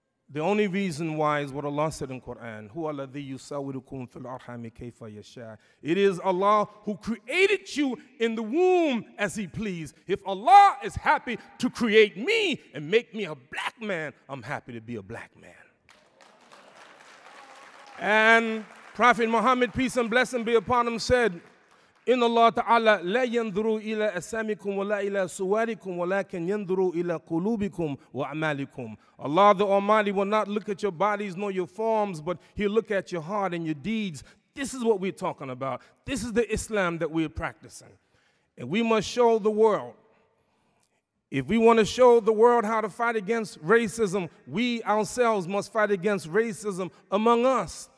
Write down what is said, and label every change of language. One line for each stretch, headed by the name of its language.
English: The only reason why is what Allah said in Quran,
Arabic: هو الذي يسوّركم في الأرحام كيف يشاء.
English: It is Allah who created you in the womb as he pleased. If Allah is happy to create me and make me a black man, I'm happy to be a black man. And Prophet Muhammad, peace and blessing be upon him, said,
Arabic: إن الله تعالى لا ينظر إلى أسماءكم ولا إلى صوركم ولكن ينظر إلى قلوبكم وأعمالكم.
English: Allah the Almighty will not look at your bodies nor your forms, but he'll look at your heart and your deeds. This is what we're talking about. This is the Islam that we're practicing. And we must show the world. If we want to show the world how to fight against racism, we ourselves must fight against racism among us.